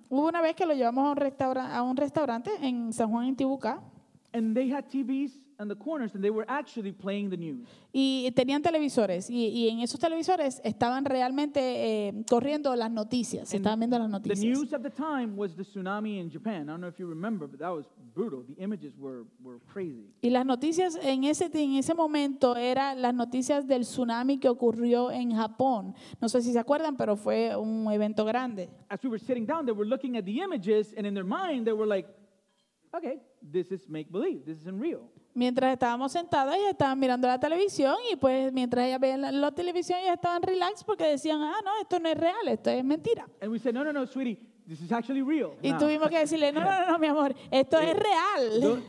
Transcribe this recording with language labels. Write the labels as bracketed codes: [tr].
[es] Hubo una vez que lo llevamos a un restaurante en San Juan Intibucá. [en] And they had TVs in the corners and they were actually playing the news. [es] Y tenían televisores y en esos televisores estaban realmente corriendo las noticias, estaban viendo las noticias. [en] The news at the time was the tsunami in Japan. I don't know if you remember, but that was brutal. The images were crazy. [es] Y las noticias en ese momento eran las noticias del tsunami que ocurrió en Japón. No sé si se acuerdan, pero fue un evento grande. [en] As we were sitting down, they were looking at the images and in their mind they were like, okay, this is make believe. This isn't real. [es] Mientras estábamos sentados, ellos estaban mirando la televisión y pues mientras ellas veían la televisión, ellos estaban relax porque decían, ah, no, esto no es real, esto es mentira. [en] And we said, no, sweetie, this is actually real. [es] Y tuvimos que decirle, no, mi amor, esto es real.